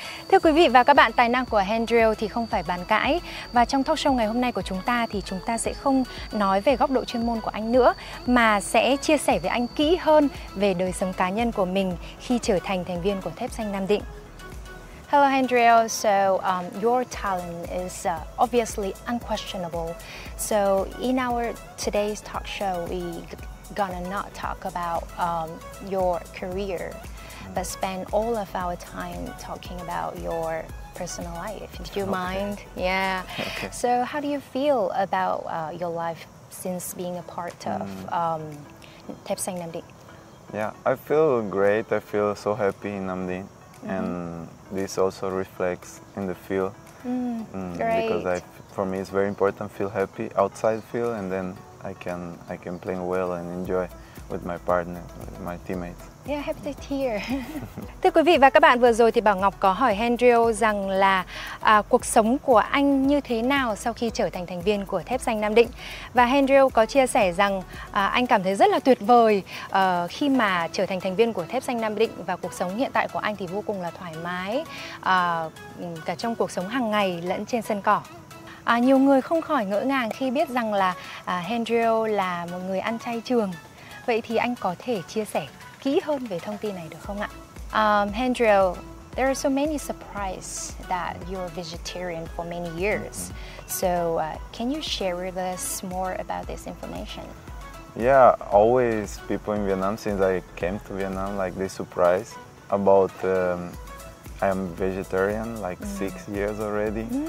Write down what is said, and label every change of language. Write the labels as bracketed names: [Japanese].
[Vietnamese] Thưa quý vị và các bạn, tài năng của Hendrio thì không phải bàn cãi. Và trong talk show ngày hôm nay của chúng ta thì chúng ta sẽ không nói về góc độ chuyên môn của anh nữa, mà sẽ chia sẻ với anh kỹ hơn về đời sống cá nhân của mình khi trở thành thành viên của Thép Xanh Nam Định. [English] Hello Hendrio, so your talent is obviously unquestionable. So in our today's talk show, we gonna not talk about your career, but spend all of our time talking about your personal life. Do you mind? Yeah. Okay. So how do you feel about your life since being a part of Thép Xanh Nam Định? Yeah, I feel great. I feel so happy in Nam Định. Mm-hmm. And this also reflects in the field. Great. Because for me it's very important to feel happy outside field, and then I can play well and enjoy with my partner, with my teammates. Yeah, happy to hear. [Vietnamese] Thưa quý vị và các bạn, vừa rồi thì Bảo Ngọc có hỏi Hendrio rằng là cuộc sống của anh như thế nào sau khi trở thành thành viên của Thép Xanh Nam Định. Và Hendrio có chia sẻ rằng anh cảm thấy rất là tuyệt vời khi mà trở thành thành viên của Thép Xanh Nam Định, và cuộc sống hiện tại của anh thì vô cùng là thoải mái, cả trong cuộc sống hàng ngày lẫn trên sân cỏ. Nhiều người không khỏi ngỡ ngàng khi biết rằng là Hendrio là một người ăn chay trường. Vậy thì anh có thể chia sẻ kỹ hơn về thông tin này được không ạ? [English] Hendrio, there are so many surprises that you're vegetarian for many years. So can you share with us more about this information? Yeah, always people in Vietnam, since I came to Vietnam, like they surprise about I am vegetarian like 6 years already.